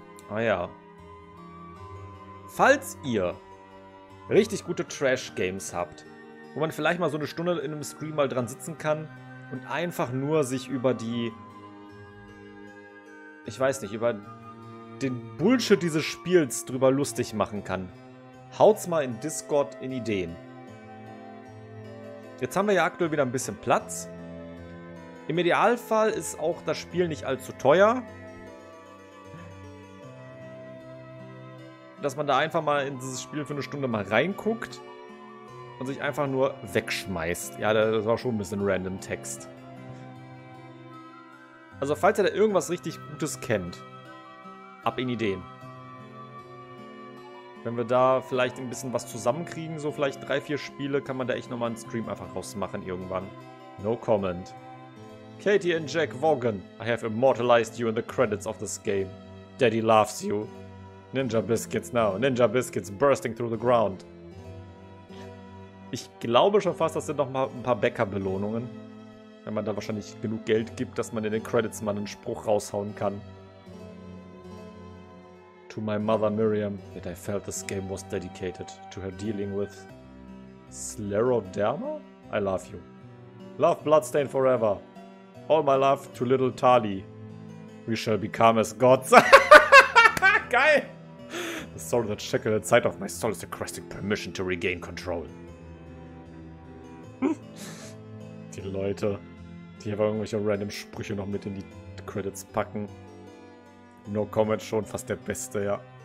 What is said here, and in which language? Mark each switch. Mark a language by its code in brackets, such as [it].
[de] Ah ja. Falls ihr richtig gute Trash-Games habt, wo man vielleicht mal so eine Stunde in einem Stream mal dran sitzen kann und einfach nur sich über die... Ich weiß nicht, über den Bullshit dieses Spiels drüber lustig machen kann. Haut's mal in Discord in Ideen. Jetzt haben wir ja aktuell wieder ein bisschen Platz. Im Idealfall ist auch das Spiel nicht allzu teuer. Dass man da einfach mal in dieses Spiel für eine Stunde mal reinguckt und sich einfach nur wegschmeißt. Ja, das war schon ein bisschen random Text. Also falls ihr da irgendwas richtig Gutes kennt, ab in Ideen. Wenn wir da vielleicht ein bisschen was zusammenkriegen, so vielleicht 3-4 Spiele, kann man da echt nochmal einen Stream einfach rausmachen irgendwann. [en] No comment. Katie and Jack Vaughan, I have immortalized you in the credits of this game. Daddy loves you. Ninja Biscuits now. Ninja Biscuits bursting through the ground. [de] Ich glaube schon fast, das sind noch mal ein paar Bäcker-Belohnungen. Wenn man da wahrscheinlich genug Geld gibt, dass man in den Credits mal einen Spruch raushauen kann. [en] To my mother Miriam, that I felt this game was dedicated to her dealing with Scleroderma? I love you. Love Bloodstain forever. All my love to little Tali. We shall become as gods. Geil! The soul that shackled inside of my soul is requesting permission to regain control. [de] Die Leute, die einfach irgendwelche random Sprüche noch mit in die Credits packen. [en] No comment [de] schon, fast der Beste, ja.